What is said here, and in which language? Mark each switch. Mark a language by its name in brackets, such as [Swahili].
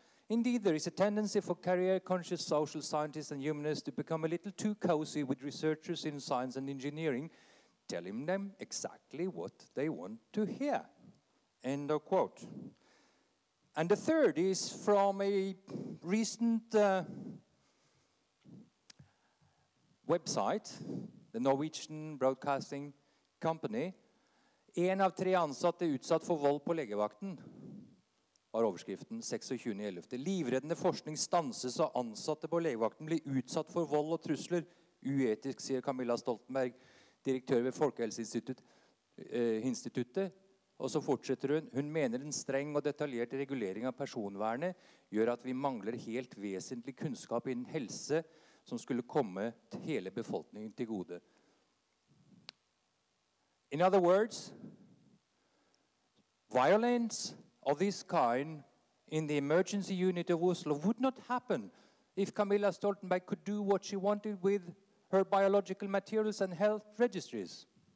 [English] Indeed, there is a tendency for career-conscious social scientists and humanists to become a little too cozy with researchers in science and engineering, telling them exactly what they want to hear. End of quote. And the third is from a recent website, the Norwegian Broadcasting Company. [Norwegian] En av tre ansatte utsatt for vold på legevakten. Var overskriften 26.11. Livreddende forskning stanses og ansatte på legevakten blir utsatt for vold og trusler. Uetisk, sier Camilla Stoltenberg, direktør ved Folkehelseinstituttet. Og så fortsetter hun. Hun mener en streng og detaljert regulering av personvernet gjør at vi mangler helt vesentlig kunnskap innen helse som skulle komme til hele befolkningen til gode. [English] In other words, violence of this kind in the emergency unit of Oslo would not happen if Camilla Stoltenberg could do what she wanted with her biological materials and health registries.